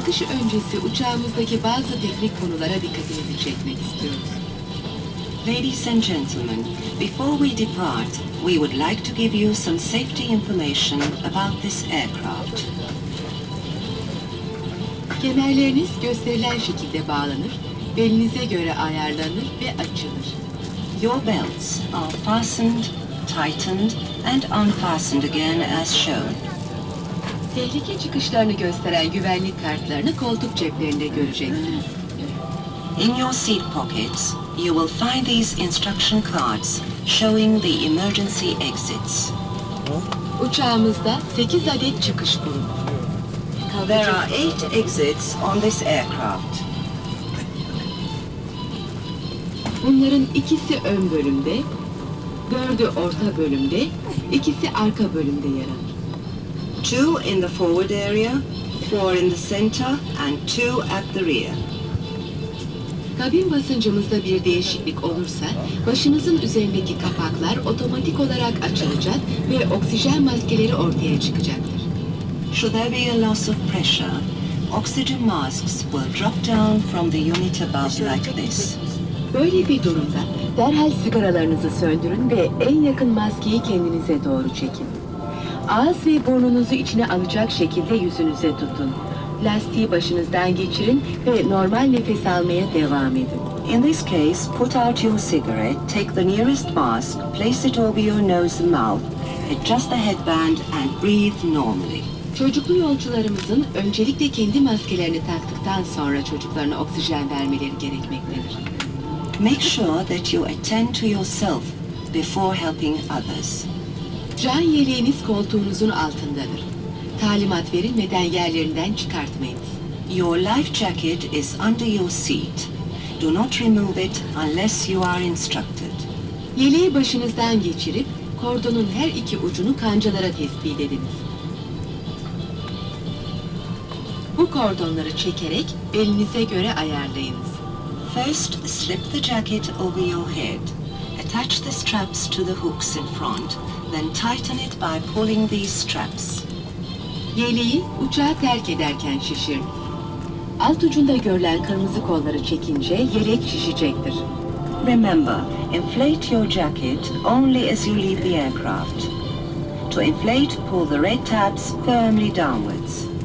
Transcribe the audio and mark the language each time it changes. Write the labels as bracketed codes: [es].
[tr] Öncesi uçağımızdaki bazı teknik konulara dikkatinizi çekmek istiyoruz. [en] Ladies and gentlemen, before we depart, we would like to give you some safety information about this aircraft. [tr] Kemerleriniz gösterilen şekilde bağlanır, belinize göre ayarlanır ve açılır. [en] Your belts are fastened, tightened and unfastened again as shown. [tr] Tehlike çıkışlarını gösteren güvenlik kartlarını koltuk ceplerinde göreceksiniz. [en] In your seat pockets, you will find these instruction cards showing the emergency exits. [tr] Uçağımızda 8 adet çıkış bulunur. [en] There are 8 exits on this aircraft. [tr] Bunların ikisi ön bölümde, 4'ü orta bölümde, ikisi arka bölümde yer alır. [en] 2 in the forward area, 4 in the center, and 2 at the rear. [tr] Kabin basıncımızda bir değişiklik olursa başınızın üzerindeki kapaklar otomatik olarak açılacak ve oksijen maskeleri ortaya çıkacaktır. [en] Should there be a loss of pressure, oxygen masks will drop down from the unit above like this. [tr] Böyle bir durumda derhal sigaralarınızı söndürün ve en yakın maskeyi kendinize doğru çekin. Ağız ve burnunuzu içine alacak şekilde yüzünüze tutun. Lastiği başınızdan geçirin ve normal nefes almaya devam edin. [en] In this case, put out your cigarette, take the nearest mask, place it over your nose and mouth, adjust the headband and breathe normally. [tr] Çocuklu yolcularımızın öncelikle kendi maskelerini taktıktan sonra çocuklarına oksijen vermeleri gerekmektedir. [en] Make sure that you attend to yourself before helping others. [tr] Can yeleğiniz koltuğunuzun altındadır. Talimat verilmeden yerlerinden çıkartmayınız. [en] Your life jacket is under your seat. Do not remove it unless you are instructed. [tr] Yeleği başınızdan geçirip kordonun her iki ucunu kancalara tespit ediniz. Bu kordonları çekerek elinize göre ayarlayınız. [en] First, slip the jacket over your head. Attach the straps to the hooks in front. Then tighten it by pulling these straps. [tr] Yeleği uçağı terk ederken şişir. Alt ucunda görülen kırmızı kolları çekince yelek şişecektir. [en] Remember, inflate your jacket only as you leave the aircraft. To inflate, pull the red tabs firmly downwards.